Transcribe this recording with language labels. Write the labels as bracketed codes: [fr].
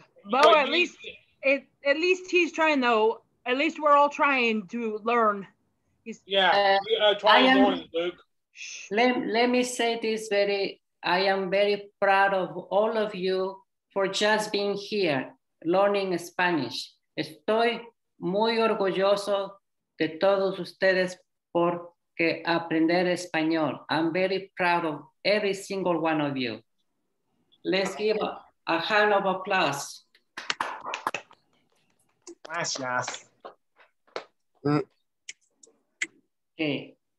[en] Bo, at least he's trying, though. At least we're all trying to learn. We are trying to learn, Luke. Let me say this very, I am very proud of all of you for just being here, learning Spanish. [es] Estoy muy orgulloso de todos ustedes por que aprender español. [en] I'm very proud of every single one of you. Let's give a hand of applause. [es] Gracias. [en] Mm. Ok, Okay.